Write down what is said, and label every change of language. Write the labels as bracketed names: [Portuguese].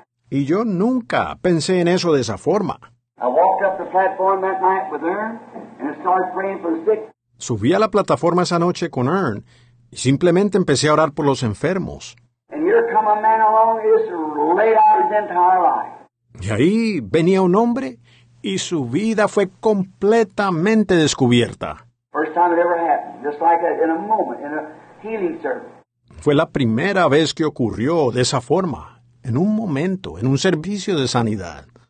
[Spanish] Y yo nunca pensé en eso de esa forma. [English] I walked up the platform that night with Ern and started praying for the sick. [Spanish] Subí a la plataforma esa noche con Ern y simplemente empecé a orar por los enfermos. [English] And here come a man along, just laid out his entire life. [Spanish] Y ahí venía un hombre y su vida fue completamente descubierta. [English] First time it ever happened, just like in a moment, in a healing service. [Spanish] Fue la primera vez que ocurrió de esa forma, en un momento, en un servicio de sanidad.